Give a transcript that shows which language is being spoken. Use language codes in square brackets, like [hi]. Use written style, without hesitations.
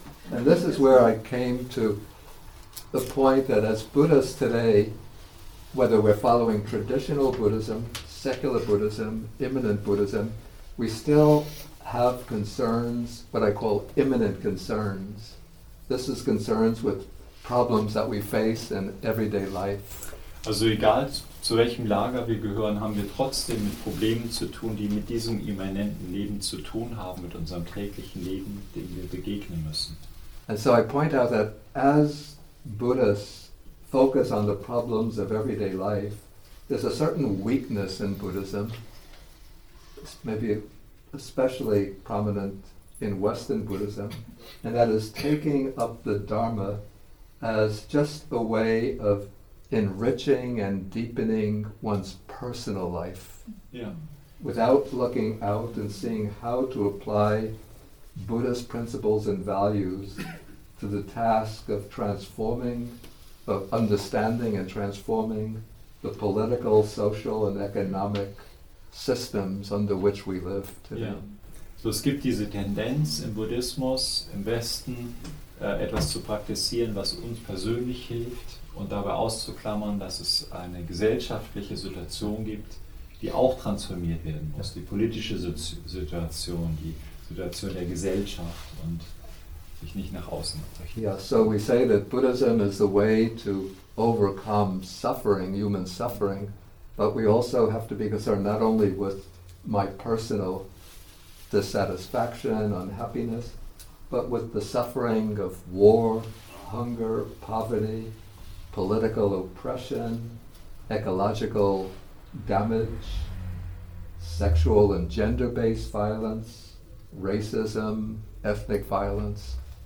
[en] And this is where I came to the point that as Buddhists today, whether we're following traditional Buddhism, secular Buddhism, immanent Buddhism, we still have concerns, what I call immanent concerns. This is concerns with problems that we face in everyday life. [de] Also egal zu welchem Lager wir gehören, haben wir trotzdem mit Problemen zu tun, die mit diesem immanenten Leben zu tun haben, mit unserem täglichen Leben, dem wir begegnen müssen. [en] And so I point out that as Buddhists focus on the problems of everyday life, there's a certain weakness in Buddhism, maybe especially prominent in Western Buddhism, and that is taking up the Dharma as just a way of enriching and deepening one's personal life. Yeah. Without looking out and seeing how to apply Buddhist principles and values to the task of transforming, of understanding and transforming the political, social and economic systems under which we live today. Yeah. [de] So es gibt diese Tendenz im Buddhismus, im Westen, etwas zu praktizieren, was uns persönlich hilft und dabei auszuklammern, dass es eine gesellschaftliche Situation gibt, die auch transformiert werden muss. Die politische Situation, die Situation der Gesellschaft und sich nicht nach außen richten. [en] Yeah, so we say that Buddhism is the way to overcome suffering, human suffering, but we also have to be concerned not only with my personal dissatisfaction, unhappiness, but with the suffering of war, hunger, poverty, political oppression, ecological damage, sexual and gender-based violence, racism, ethnic violence.